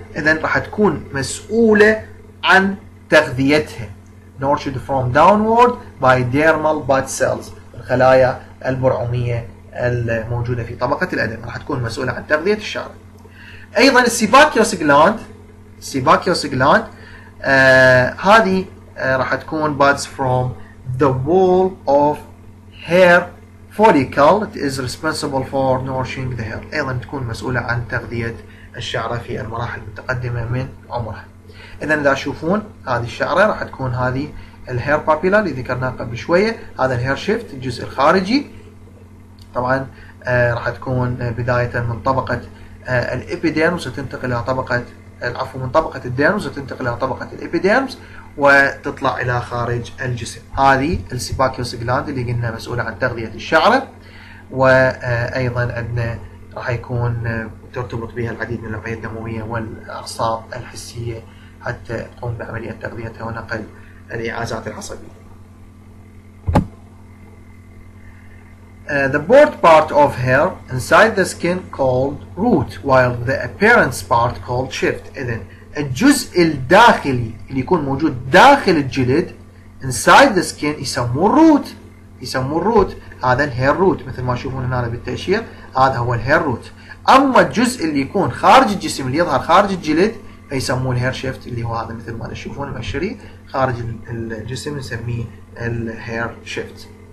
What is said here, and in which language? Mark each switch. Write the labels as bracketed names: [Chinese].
[Arabic] إذن راح تكون مسؤولة عن تغذيتها. [English] Nurtured from downward by dermal bud cells. [Arabic] الخلايا البرعومية الموجودة في طبقة الأدم راح تكون مسؤولة عن تغذية الشعر. [English] أيضا السيباكيوس جلاند، السيباكيوس جلاند [Arabic] هذه راح تكون [English] buds from the wall of hair follicle. It is responsible for nourishing the hair. [Arabic] أيضا تكون مسؤولة عن تغذية الشعرة في المراحل المتقدمة من عمرها. إذا إذا تشوفون هذه الشعرة راح تكون هذه الهير بابيلا اللي ذكرناها قبل شوية، هذا الهير شيفت الجزء الخارجي. طبعا راح تكون بداية من طبقة الإبيديرمز وتنتقل إلى طبقة العفو من طبقة الديرمز وتنتقل إلى طبقة الإبيديرمز وتطلع إلى خارج الجسم. هذه السيباكيوس جلاند اللي قلنا مسؤولة عن تغذية الشعرة، وأيضا عندنا راح يكون ترتبط بها العديد من الأوعية الدموية والأعصاب الحسية حتى تقوم بعملية تغذيتها ونقل الإعازات العصبية. [English] The board part of hair inside the skin called root, while the appearance part called shift. [Arabic] إذن الجزء الداخلي اللي يكون موجود داخل الجلد [English] inside the skin [Arabic] يسموه root، يسموه root، هذا الهير root مثل ما تشوفون هنا بالتأشير، هذا هو الهير root. أما الجزء اللي يكون خارج الجسم اللي يظهر خارج الجلد فيسموه الهير shift اللي هو هذا مثل ما تشوفون المشري خارج الجسم نسميه الهير shift.